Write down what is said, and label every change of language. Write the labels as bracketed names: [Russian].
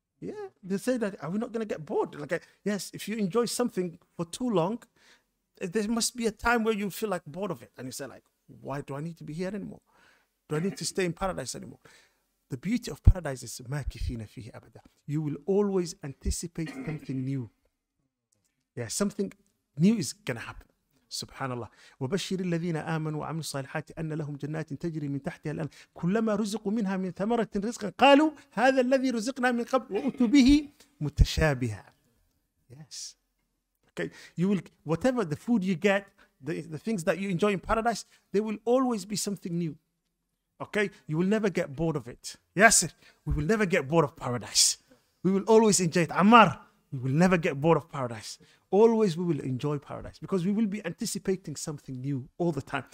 [English] Yeah, they say that, are we not going to get bored? Like, yes, if you enjoy something for too long, there must be a time where you feel like bored of it. And you say like, why do I need to be here anymore? Do I need to stay in paradise anymore? The beauty of paradise is [Arabic] ما كثينا فيه أبدا. [English] You will always anticipate something new. Yeah, something new is going to happen. Subhanallah. [Arabic] وبشر الذين آمنوا وعملوا الصالحات أن لهم جنات تجري من تحتها الأن كلما رزقوا منها من ثمرة رزقا قالوا هذا الذي رزقنا من قبل وأتوا به متشابها. [English] Yes. Okay. You will, whatever the food you get, the things that you enjoy in paradise, there will always be something new. Okay, you will never get bored of it. Yes, we will never get bored of paradise. We will always enjoy it. Ammar, we will never get bored of paradise. Always we will enjoy paradise because we will be anticipating something new all the time.